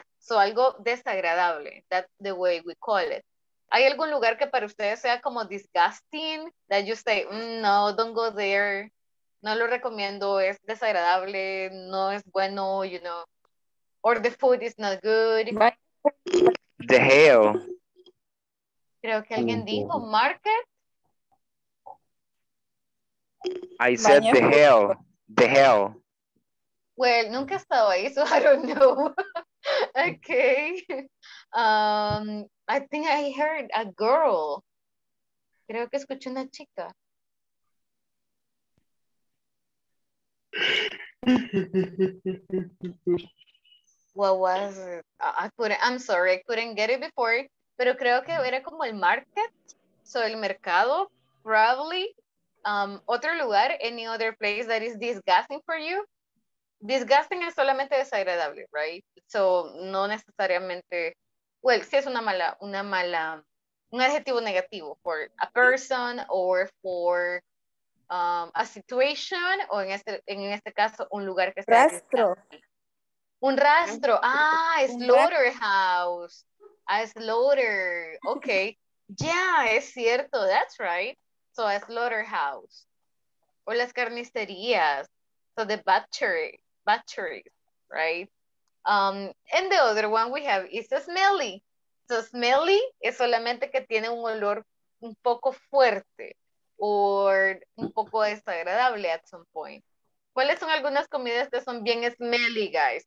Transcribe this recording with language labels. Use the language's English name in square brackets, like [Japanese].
[English] So [Spanish] algo desagradable, [English] that's the way we call it. [Spanish] ¿Hay algún lugar que para ustedes sea como disgusting? [English] That you say, no, don't go there. [Spanish] No lo recomiendo, es desagradable, no es bueno, [English] you know. Or the food is not good. The hell. [Spanish] Creo que alguien dijo market. [English] I said the hell. The hell. Well, [Spanish] nunca he estado ahí, [English] so I don't know. Okay. I think I heard a girl. [Spanish] Creo que escuché una chica. [English] What was it? I'm sorry, I couldn't get it before. [Spanish] Pero creo que era como el market, so el mercado, probably. Otro lugar, [English] any other place that is disgusting for you? [Spanish] Disgusting es solamente desagradable, right? So, no necesariamente, well, si es un adjetivo negativo [English] for a person or for a situation, [Spanish] o en este caso, un lugar que está rastro. Un rastro, ah, slaughterhouse. [English] A slaughter, okay. Yeah, [Spanish] es cierto, [English] that's right. So a slaughterhouse. [Spanish] O las carnicerías. [English] So the butchery, right? And the other one we have is a smelly. [Spanish] So smelly es solamente que tiene un olor un poco fuerte or un poco desagradable [English] at some point. [Spanish] ¿Cuáles son algunas comidas que son bien smelly, guys?